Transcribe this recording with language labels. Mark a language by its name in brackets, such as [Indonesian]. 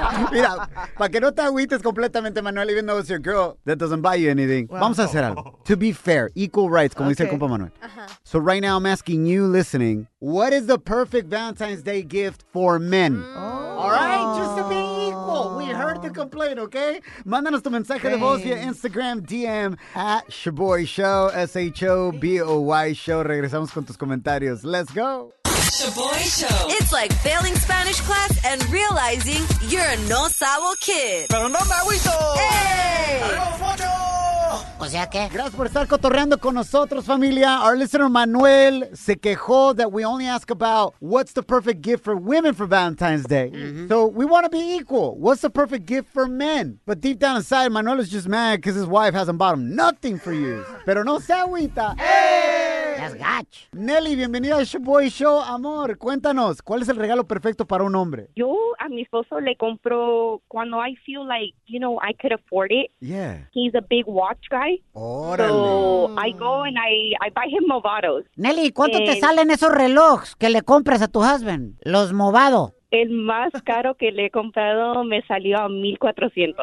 [Spanish] Mira, para que no te agüites completamente, [English] Manuel, even though it's your girl that doesn't buy you anything. Well, [Spanish] vamos a hacer algo. [English] To be fair, equal rights, [Spanish] como dice el compa Manuel. Uh-huh. [English] So right now I'm asking you listening, what is the perfect Valentine's Day gift for men? Oh. All right, just to be equal. We heard the complaint, okay? [Spanish] Mándanos tu mensaje de voz via Instagram, DM, at Shaboy Show, Shaboy Show. Regresamos con tus comentarios. [English] Let's go. Shaboy Show. It's like failing Spanish class and realizing you're a no sabo kid. [Spanish] Pero no me agüito. Hey! O sea que. Gracias por estar cotorreando con nosotros, familia. [English] Our listener Manuel [Spanish] se quejó [English] that we only ask about what's the perfect gift for women for Valentine's Day. Mm-hmm. So we want to be equal. What's the perfect gift for men? But deep down inside, Manuel is just mad because his wife hasn't bought him nothing for years. [Spanish] Pero no se agüita. ¡Ey! [English] That's gotcha. [Spanish] Nelly, bienvenida a Shaboy Show. Amor, cuéntanos, ¿cuál es el regalo perfecto para un hombre? Yo a mi esposo le compro cuando [English] I feel like, you know, I could afford it. Yeah. He's a big watch guy. [Spanish] Órale. [English] So I go and I buy him Movados. [Spanish] Nelly, ¿cuánto te salen esos relojes que le compras a tu husband? Los Movado. el más caro que le he comprado me salió a $1,400.